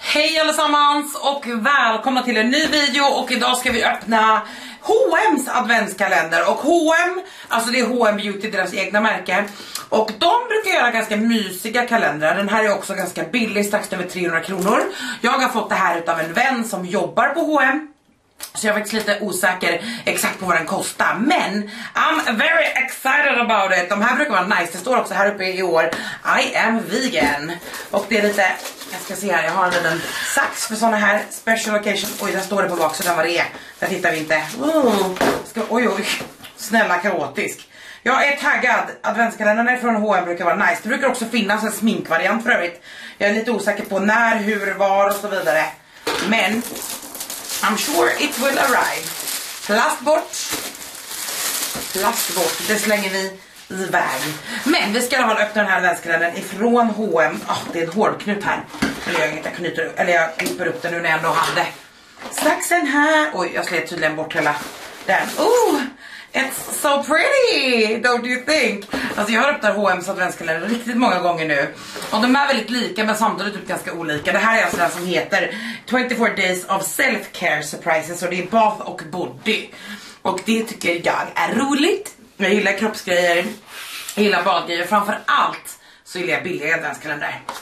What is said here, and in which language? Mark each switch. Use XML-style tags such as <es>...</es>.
<sv>Hej allesammans och välkomna till en ny video. Och idag ska vi öppna H&M's adventskalender. Och H&M, alltså det är H&M Beauty, deras egna märke. Och de brukar göra ganska mysiga kalendrar. Den här är också ganska billig, strax över 300 kronor. Jag har fått det här utav en vän som jobbar på H&M, så jag är faktiskt lite osäker exakt på vad den kostar. Men</sv> <en>I'm very excited about it.</en> <sv>De här brukar vara nice. Det står också här uppe i år</sv> <en>I am vegan.</en> <sv>Och det är lite, jag ska se här, jag har en liten sax för såna här</sv> <en>special occasion.</en> <sv>Oj, där står det på baksidan vad det är. Där tittar vi inte. Oj, snälla kaotisk. Jag är taggad. Adventskalendern är från H&M, brukar vara nice. Det brukar också finnas en sminkvariant för övrigt. Jag är lite osäker på när, hur, var och så vidare. Men</sv> <en>I'm sure it will arrive.</en> <sv>Plast bort. Plast bort, det slänger vi iväg. Men vi ska i alla fall öppna den här adventskalendern ifrån H&M. Det är ett hårdknut här. Jag knyper upp den nu när jag ändå hade saxen här. Oj, jag slet tydligen bort hela den.</sv> <en>Ooh, it's so pretty, don't you think?</en> <sv>Alltså jag har öppnat H&M's adventskalender riktigt många gånger nu. Och de är väldigt lika men samtidigt typ ganska olika. Det här är alltså den som heter 24 Days of Self-Care Surprises. Och det är bath och body. Och det tycker jag är roligt. Jag gillar kroppsgrejer. Jag gillar badgrejer. Framförallt så gillar jag billiga adventskalender.</sv>